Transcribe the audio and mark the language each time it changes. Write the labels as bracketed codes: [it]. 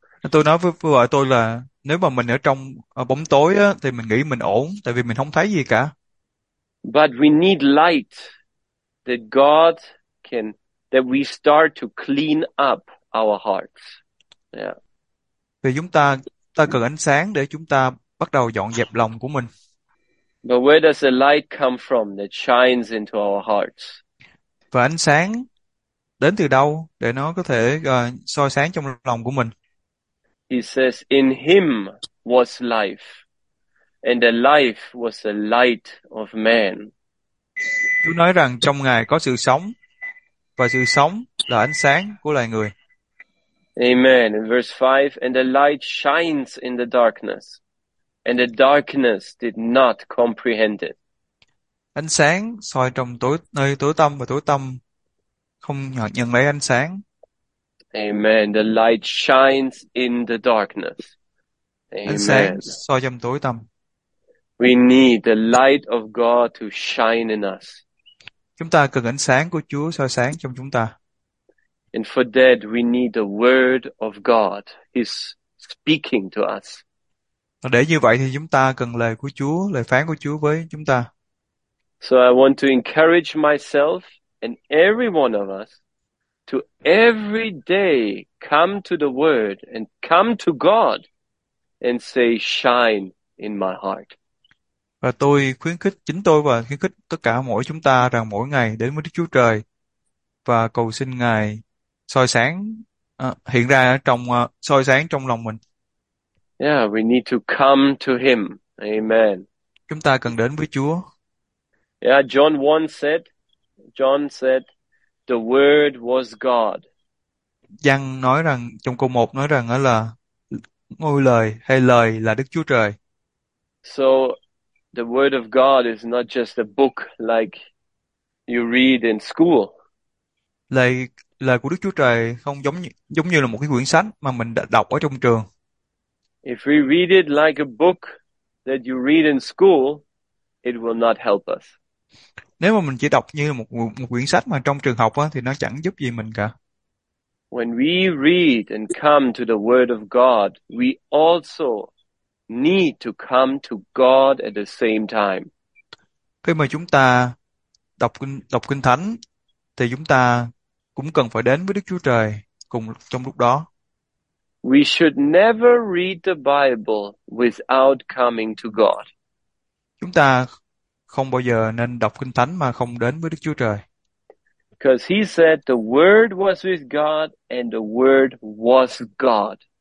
[vi] Tôi nói với vợ tôi là nếu mà mình ở trong ở bóng tối á, thì mình nghĩ mình ổn tại vì mình không thấy gì cả. [en] But we need light that God can, that we start to clean up our hearts. [vi] Thì chúng ta cần ánh sáng để chúng ta bắt đầu dọn dẹp lòng của mình. [en] But where does the light come from that shines into our hearts? [vi] Và ánh sáng đến từ đâu để nó có thể soi sáng trong lòng của mình? [en] He says, "In him was life, and the life was the light of man." [vi] Chúa nói rằng trong Ngài có sự sống và sự sống là ánh sáng của loài người. [en] Amen. In verse 5, "And the light shines in the darkness, and the darkness did not comprehend it." [vi] Ánh sáng soi trong tối nơi tối tăm và tối tăm không nhận lấy ánh sáng. [en] Amen. The light shines in the darkness. [vi] Ánh sáng [en] Amen. [vi] soi trong tối tăm. [en] We need the light of God to shine in us. [vi] Chúng ta cần ánh sáng của Chúa soi sáng trong chúng ta. [en] And for that, we need the word of God. He's speaking to us. [vi] Để như vậy thì chúng ta cần lời của Chúa, lời phán của Chúa với chúng ta. [en] So I want to encourage myself and every one of us to every day come to the word and come to God and say, "Shine in my heart." [vi] Và tôi khuyến khích chính tôi và khuyến khích tất cả mỗi chúng ta rằng mỗi ngày đến với Đức Chúa Trời và cầu xin Ngài soi sáng hiện ra trong soi sáng trong lòng mình. [en] Yeah, we need to come to him. Amen. [vi] Chúng ta cần đến với Chúa. [en] Yeah, John said, "The word was God." [vi] Giăng nói rằng trong câu 1 nói rằng là ngôi lời hay lời là Đức Chúa Trời. [en] So the word of God is not just a book like you read in school. [vi] Lời của Đức Chúa Trời không giống như là một cái quyển sách mà mình đã đọc ở trong trường. [en] If we read it like a book that you read in school, it will not help us. [vi] Nếu mà mình chỉ đọc như là một quyển sách mà trong trường học á, thì nó chẳng giúp gì mình cả. [en] When we read and come to the Word of God, we also need to come to God at the same time. [vi] Khi mà chúng ta đọc Kinh Thánh thì chúng ta cũng cần phải đến với Đức Chúa Trời cùng trong lúc đó. [en] We should never read the Bible without coming to God. [vi] Chúng ta không bao giờ nên đọc Kinh Thánh mà không đến với Đức Chúa Trời. [en] Because he said the word was with God and the word was God.